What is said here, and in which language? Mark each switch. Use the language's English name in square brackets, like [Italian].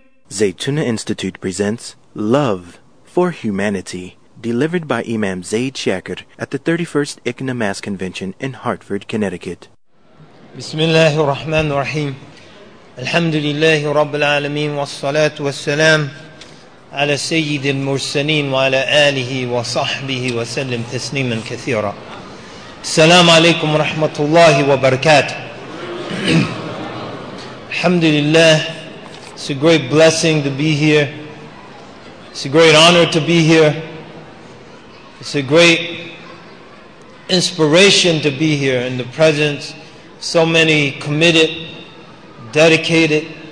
[English] Zaytuna Institute presents Love for Humanity, delivered by Imam Zaid Shaker at the 31st ICNA Mass Convention in Hartford, Connecticut. [Arabic] بسم الله الرحمن الرحيم. الحمد لله رب العالمين والصلاة والسلام على سيد المرسلين وعلى آله وصحبه وسلم تسليما كثيرا. السلام عليكم ورحمة الله وبركاته. الحمد لله. [English] It's a great blessing to be here. It's a great honor to be here. It's a great inspiration to be here in the presence of so many committed, dedicated,